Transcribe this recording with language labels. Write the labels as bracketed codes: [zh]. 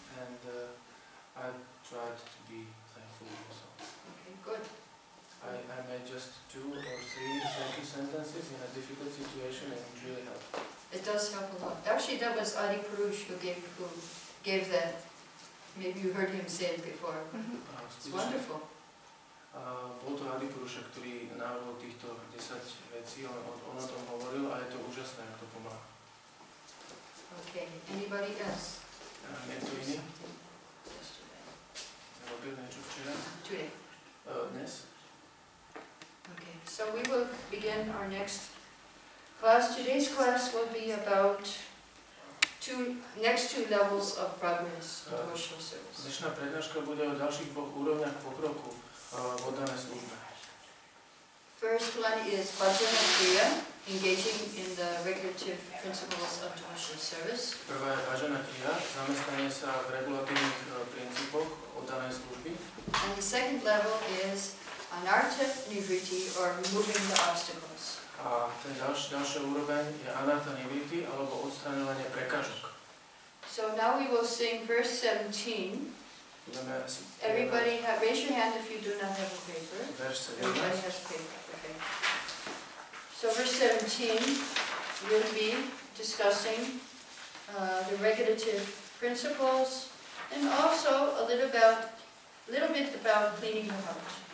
[en] And I tried to be thankful also. Good. I made just 2 or 3 thank you sentences in a difficult situation, and it really helped. It does help a lot. Actually, that was Adi Purush who gave that. Maybe you heard him say it before. It's wonderful. [sk] Bol to Adi Purush, ktorý navrhol týchto 10 vecí, on o tom hovoril, a je to úžasné, ako to pomáha. [en] Okay. Anybody else? [sk] Niekto iný? [en] Yesterday. [sk] Robil niečo včera? [en] Today. [sk] Dnes. [en] Okay, so we will begin our next class. Today's class will be about next two levels of progress of devotional service. [sk] Dnešná prednáška bude o ďalších dvoch úrovniach pokroku v oddanej službe. [en] First one is bhajan and kriya, engaging in the regulative principles of devotional service. [sk] Prvá je bhajan a kriya, zamestnanie sa v regulatívnych princípoch oddanej služby. [en] And the second level is anartha nivriti, or removing the obstacles. [sk] A ten ďalší úroveň je anartha nivriti, alebo odstraňovanie prekážok. [en] So now we will sing verse 17. Everybody, raise your hand if you do not have a paper. Everybody has paper. Okay. So verse 17 will be discussing the regulative principles, and also a little bit about cleaning the heart.